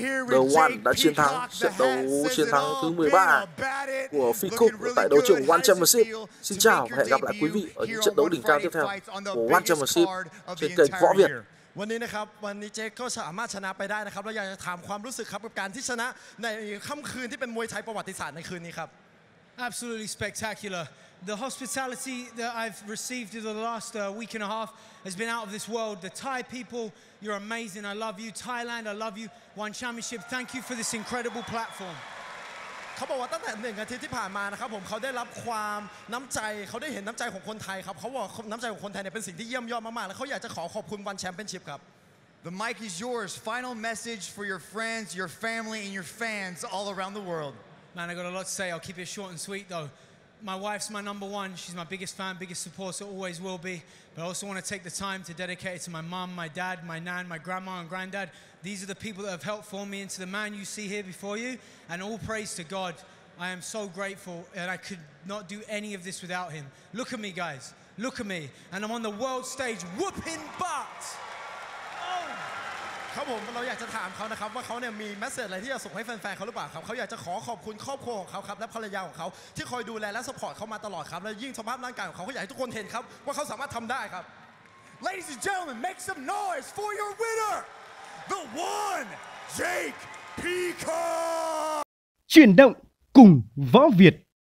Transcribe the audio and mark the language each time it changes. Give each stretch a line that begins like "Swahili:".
Vietnamese: The One đã chiến thắng trận đấu chiến thắng thứ 13 của Phi Cục tại đấu trường One Championship. Xin chào và hẹn gặp lại quý vị ở những trận đấu đỉnh cao tiếp theo của One Championship trên kênh Võ Việt.
Thai: วันนี้นะครับวันนี้เจ๊ก็สามารถชนะไปได้นะครับแล้วอยากจะถามความรู้สึกครับกับการที่ชนะในค่ำคืนที่เป็นมวยไทยประวัติศาสตร์ในคืนนี้ครับ
English: Absolutely spectacular. The hospitality that I've received in the last week and a half has been out of this world. The Thai people, you're amazing. I love you. Thailand, I love you. One Championship, thank you for this incredible platform.
Thai: เขาบอกว่าตั้งแต่หนึ่งอาทิตย์ที่ผ่านมานะครับผมเขาได้รับความน้ำใจเขาได้เห็นน้ำใจของคนไทยครับเขาบอกน้ำใจของคนไทยเนี่ยเป็นสิ่งที่เยี่ยมยอดมากๆแล้วเขาอยากจะขอขอบคุณวันแชมเปี้ยนชิพครับ
English: The mic is yours. Final message for your friends, your family, and your fans all around the world. Man, I got a lot to say. I'll keep it short and sweet though. My wife's my number one. She's my biggest fan, biggest supporter, always will be. But I also want to take the time to dedicate it to my mum, my dad, my nan, my grandma and granddad. These are the people that have helped form me into the man you see here before you. And all praise to God. I am so grateful and I could not do any of this without him. Look at me, guys. Look at me. And I'm on the world stage whooping butt.
Thai: ครับผมเราอยากจะถามเขานะครับว่าเขาเนี่ยมีเมสเซจอะไรที่จะส่งให้แฟนๆเขาหรือเปล่าครับเขาอยากจะขอขอบคุณครอบครัวของเขาครับและภรรยาของเขาที่คอยดูแลและสปอร์ตเขามาตลอดครับและยิ่งสภาพร่างกายของเขาเขาอยากให้ทุกคนเห็นครับว่าเขาสามารถทำได้ครับ
English: Ladies and gentlemen make some noise for your winner the one Jake Peacock
Vietnamese: chuyển động cùng Võ Việt